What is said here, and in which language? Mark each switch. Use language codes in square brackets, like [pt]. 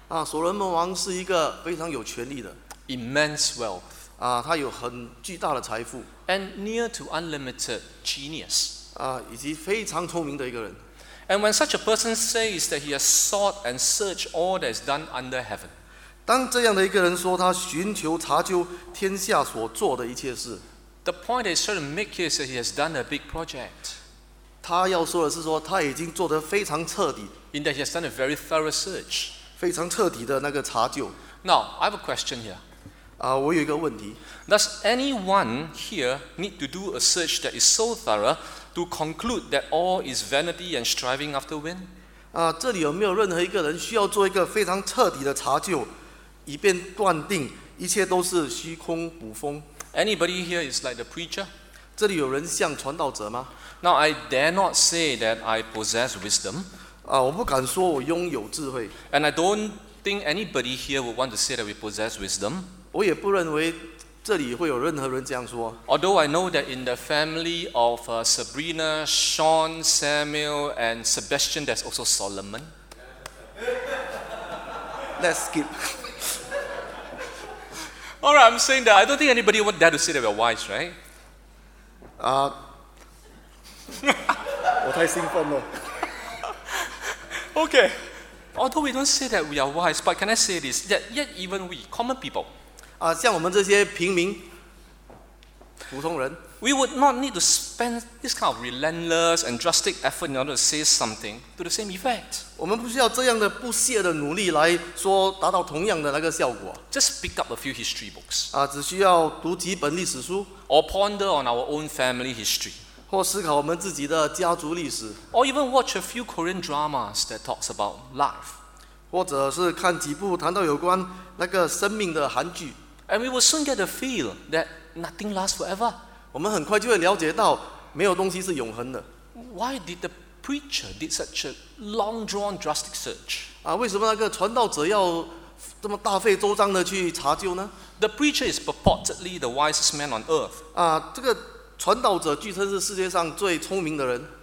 [zh] 所罗门王是一个非常有权力的 [en] immense wealth [zh] 他有很巨大的财富 [en] and near to unlimited genius [zh] 以及非常聪明的一个人 [en] and when such a person says that he has sought and searched all that is done under heaven [zh] 当这样的一个人说他寻求查究天下所做的一切事 [en] the point is trying to make is that he has done a big project [zh] 他要说的是说他已经做得非常彻底 [en] in that he has done a very thorough search [zh] 非常彻底的那个查究。 [en] Now, I have a question here. [zh] 我有一个问题。 [en] Does anyone here need to do a search that is so thorough to conclude that all is vanity and striving after wind? [zh] 这里有没有任何一个人需要做一个非常彻底的查究，以便断定一切都是虚空捕风 [en] ？Anybody here is like the preacher? [zh] 这里有人像传道者吗 [en] ？Now, I dare not say that I possess wisdom. [zh] 我不敢说我拥有智慧。 [en] And I don't think anybody here would want to say that we possess wisdom. [zh] 我也不认为这里会有任何人这样说。 [en] Although I know that in the family of Sabrina, Sean, Samuel, and Sebastian, there's also Solomon. Let's skip. All right, I'm saying that I don't think anybody would dare to say that we're wise, right? [zh] 我太兴奋了。 [en] Okay, although we don't say that we are wise, but can I say this? That yet even we, common people, [zh] 像我们这些平民，普通人 [en] ，we would not need to spend this kind of relentless and drastic effort in order to say something to the same effect. [zh] 我们不需要这样的不懈的努力来说达到同样的那个效果。 [en] Just pick up a few history books. [zh] 只需要读几本历史书 [en] ，or ponder on our own family history. [zh] 或思考我们自己的家族历史 [en] ，or even watch a few Korean dramas that talks about life， [zh] 或者是看几部谈到有关那个生命的韩剧 [en] And we will soon get a feel that nothing lasts forever. [zh] 我们很快就会了解到没有东西是永恒的。 [en] Why did the preacher did such a long drawn drastic search? [zh] 啊，为什么那个传道者要这么大费周章的去查究呢？ [en] The preacher is purportedly the wisest man on earth. [zh] 啊，这个传道者据称是世界上最聪明的人。